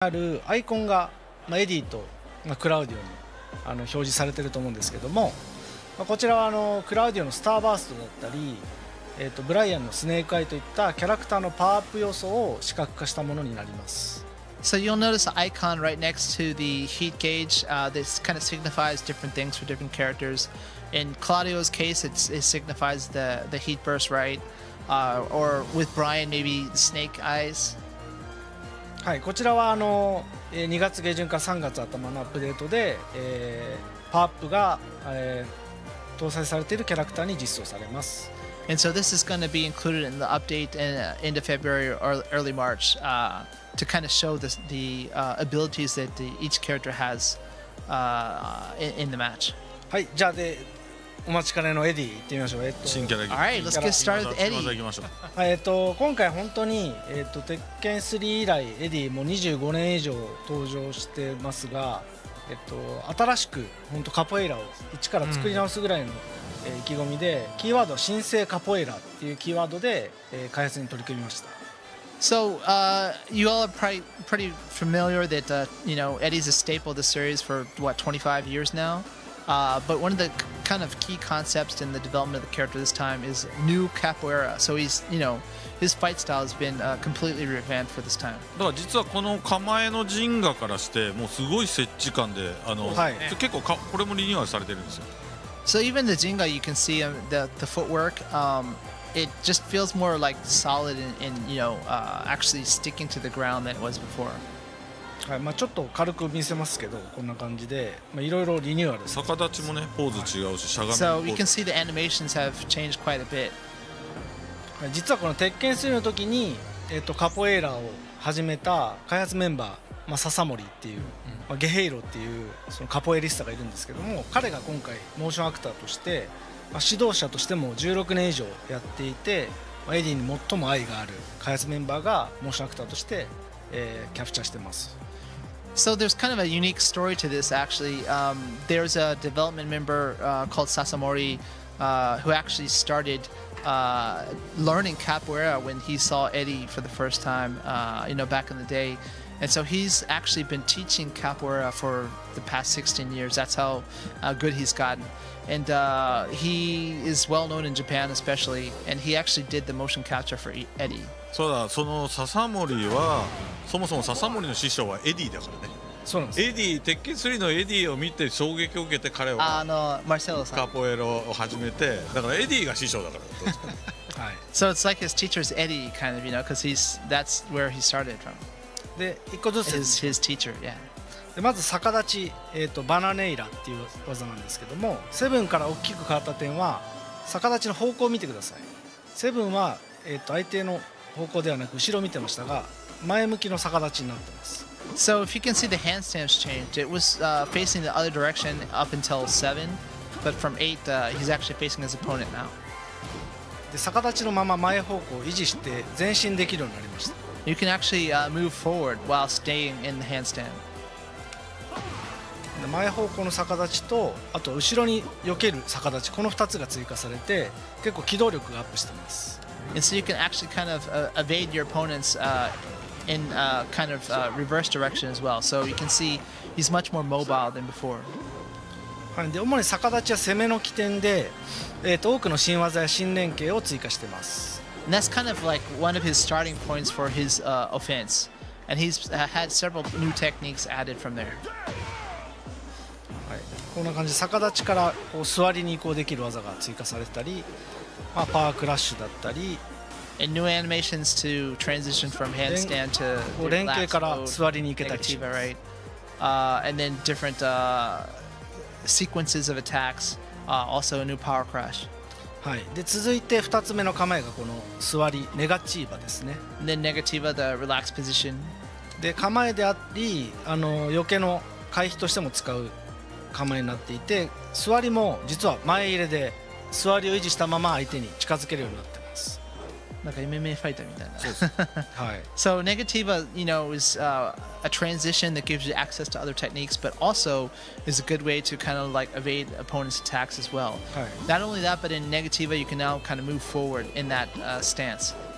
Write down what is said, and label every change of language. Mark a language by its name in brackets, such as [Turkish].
[Japanese] あるアイコンが、まあ、エディと、まあ、クラウディオにあの表示されていると思うんですけども、まあ、こちらはあのクラウディオのスターバーストだったり、ブライアンのスネークアイといったキャラクターのパワーアップ要素を視覚化したものになります。 [English] So you'll notice the icon right next to the heat gauge. This kind of signifies different things for different characters. In Claudio's case, it signifies the heat burst, right? Or with Brian, maybe the snake eyes. [Japanese] はい、こちらはあの2月下旬から3月頭のアップデートで、パワーアップが、搭載されているキャラクターに実装されます。 [English] And so this is going to be included in the update in end of February or early March. To kind of show the abilities that each character has in the match. [Japanese] はい、じゃあでお待ちかねのエディ行ってみましょう。新キャラ。 [English] All right, let's get started with Eddy. [Japanese] 今回本当に鉄拳3以来エディもう25年以上登場してますが、新しく本当カポエイラを一から作り直すぐらいの、意気込みで、キーワードは新生カポエイラっていうキーワードで、開発に取り組みました。 [English] So, you all are pretty familiar that, you know, Eddy's a staple of the series for, what, 25 years now? But one of the kind of key concepts in the development of the character this time is new capoeira. So he's, you know, his fight style has been completely revamped for this time. [Japanese] だから実はこの構えのジンガからして、もうすごい接地感で、はい、結構これもリニューアルされてるんですよ。 [English] So even the ジンガ, you can see the footwork. It just feels more like solid and you know, actually sticking to the ground than it was before. [Japanese] はい、まあちょっと軽く見せますけど、こんな感じで、まあいろいろリニューアルです。逆立ちもね、ポーズ違うし、しゃがみも。 [English] So you can see the animations have changed quite a bit. [Japanese] 実はこの鉄拳3の時に、カポエイラを始めた開発メンバー、まあ笹森っていう、まあ、ゲヘイロっていうそのカポエリスタがいるんですけども、彼が今回モーションアクターとして。指導者としても16年以上やっていて、エディに最も愛がある開発メンバーがモーションアクターとしてキャプチャーしてます。 [English] So there's kind of a unique story to this actually. There's a development member called Sasamori who actually started learning capoeira when he saw Eddie for the first time, you know, back in the day. And so he's actually been teaching capoeira for the past 16 years. That's how good he's gotten. And he is well known in Japan, especially. And he actually did the motion capture for Eddy. [Japanese] そうだ。その笹森はそもそも笹森の師匠はエディだからね。そうなんです。エディ、鉄拳3のエディを見て衝撃を受けて彼はマルセロさん、カポエロを始めて、だからエディが師匠だから。はい。 [English] So it's like his teacher is Eddy, kind of, you know, because he's that's where he started from. [Japanese] で、一個ずつ。 [English] His teacher, yeah. [Japanese] でまず逆立ち、バナネイラっていう技なんですけども、セブンから大きく変わった点は逆立ちの方向を見てください。セブンは、相手の方向ではなく後ろを見てましたが、前向きの逆立ちになってます。 [English] So if you can see the handstand's changed, it was facing the other direction up until 7, but from 8, he's actually facing his opponent now. [Japanese] で逆立ちのまま前方向を維持して前進できるようになりました。 [English] You can actually move forward while staying in the handstand. [Japanese] 前方向の逆立ちとあと後ろに避ける逆立ち、この2つが追加されて結構機動力がアップしています。 [English] And so you can actually kind of evade your opponents in kind of reverse direction as well. So you can see he's much more mobile than before. [Japanese] はい、で主に逆立ちは攻めの起点で、多くの新技や新連携を追加しています。 [English] And that's kind of like one of his starting points for his offense. And he's had several new techniques added from there. [Japanese] こんな感じで逆立ちからこう座りに移行できる技が追加されたり、まあ、パワークラッシュだったり、 [English] And new animations to transition from handstand to [Japanese] こう連携から座りに行けたりします、 [English] right? And then different sequences of attacks, also a new power crash. [Japanese] はい、で続いて2つ目の構えがこの座りネガチーバですね。 [English] And then ネガチーバ, the relaxed position. [Japanese] で構えであり、あの避けの回避としても使う構えになっていて、座りも実は前入れで座りを維持したまま相手に近づけるようになってます。なんか MMA ファイターみたいな。そうはい。 [English] So negativa, you know, is a transition that gives you access to other techniques, but also is a good way to kind of like evade opponents' attacks as well. [Japanese] はい。 [English] Not only that, but in negativa, you can now kind of move forward in that stance.